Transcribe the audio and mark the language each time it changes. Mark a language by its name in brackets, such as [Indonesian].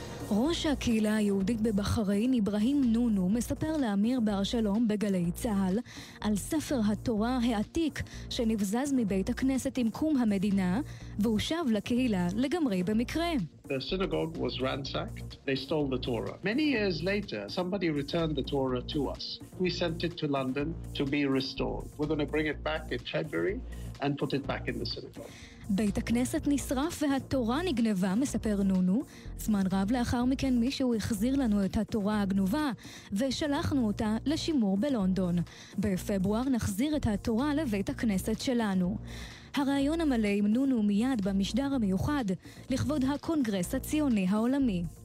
[Hebrew] ראש הקהילה היהודית בבחרין, אברהים נונו, מספר לאמיר בר שלום בגלי צהל על ספר התורה העתיק שנבזז מבית הכנסת עם קום המדינה והוא שב לקהילה לגמרי במקרה. [English] The synagogue was ransacked. They stole the Torah. Many years later, somebody returned the Torah to us. We sent it to London to be restored. We're going to bring it back in February and put it back in the synagogue. [Hebrew] בית הכנסת נשרף והתורה נגנבה, מספר נונו. זמן רב לאחר מכן מישהו החזיר לנו את התורה הגנובה ושלחנו אותה לשימור בלונדון. בפברואר נחזיר את התורה לבית הכנסת שלנו. הרעיון המלא עם נונו מיד במשדר המיוחד לכבוד הקונגרס הציוני העולמי.